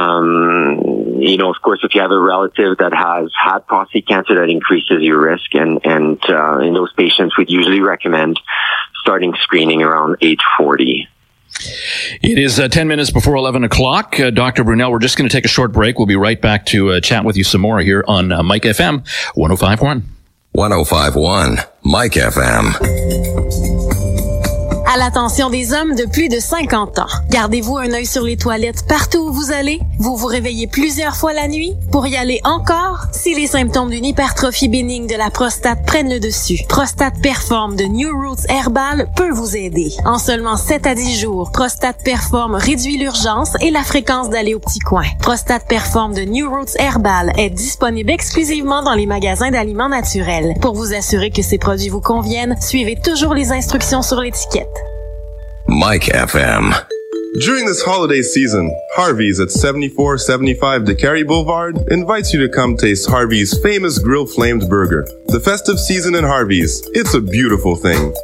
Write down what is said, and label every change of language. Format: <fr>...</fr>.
<en>You know, of course, if you have a relative that has had prostate cancer, that increases your risk, and in those patients, we'd usually recommend starting screening around age 40. It is 10 minutes before 11 o'clock. Dr. Brunel, we're just going to take a short break. We'll be right back to chat with you some more here on Mike FM 105.1. 105.1, Mike FM.</en> <fr>À l'attention des hommes de plus de 50 ans, gardez-vous un œil sur les toilettes partout où vous allez? Vous vous réveillez plusieurs fois la nuit pour y aller encore? Si les symptômes d'une hypertrophie bénigne de la prostate prennent le dessus, Prostate Perform de New Roots Herbal peut vous aider. En seulement 7 à 10 jours, Prostate Perform réduit l'urgence et la fréquence d'aller au petit coin. Prostate Perform de New Roots Herbal est disponible exclusivement dans les magasins d'aliments naturels. Pour vous assurer que ces produits vous conviennent, suivez toujours les instructions sur l'étiquette.</fr> <en>Mike FM. During this holiday season, Harvey's at 7475 DeCary Boulevard invites you to come taste Harvey's famous grill-flamed burger. The festive season in Harvey's, it's a beautiful thing.</en>